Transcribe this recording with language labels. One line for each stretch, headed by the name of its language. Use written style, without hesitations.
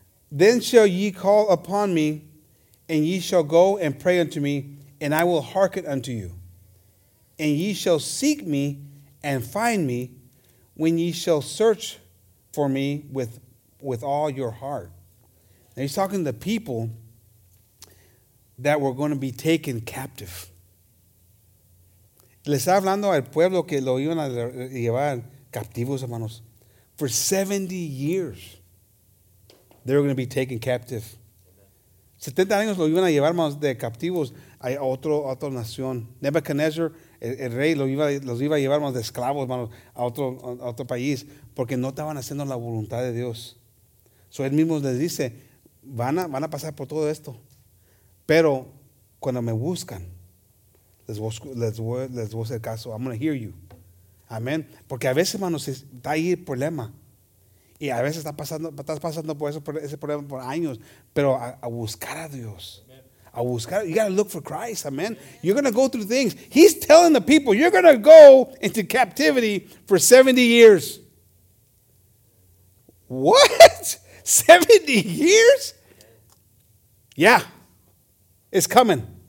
English: Then shall ye call upon me, and ye shall go and pray unto me, and I will hearken unto you. And ye shall seek me and find me, when ye shall search for me with all your heart. Now he's talking to people that were going to be taken captive.
Spanish: Le está hablando al pueblo que lo iban a llevar captivos, hermanos,
English: for 70 years. They were going to be taken captive.
Spanish: 70 años lo iban a llevar, hermanos, de captivos a otra nación. Nebuchadnezzar, el rey, los iba a llevar, hermanos, de esclavos, hermanos, a otro país, porque no estaban haciendo la voluntad de Dios. So él mismo les dice, van a pasar por todo esto, pero cuando me buscan, les voy a hacer caso.
English: I'm going to hear you.
Spanish: Amen. Porque a veces, hermanos, está ahí el problema. Y a veces estás pasando por ese problema por años, pero a buscar a Dios. A buscar,
English: you got to look for Christ, amen. You're going to go through things. He's telling the people, you're going to go into captivity for 70 years. What? 70 years? Yeah. It's coming.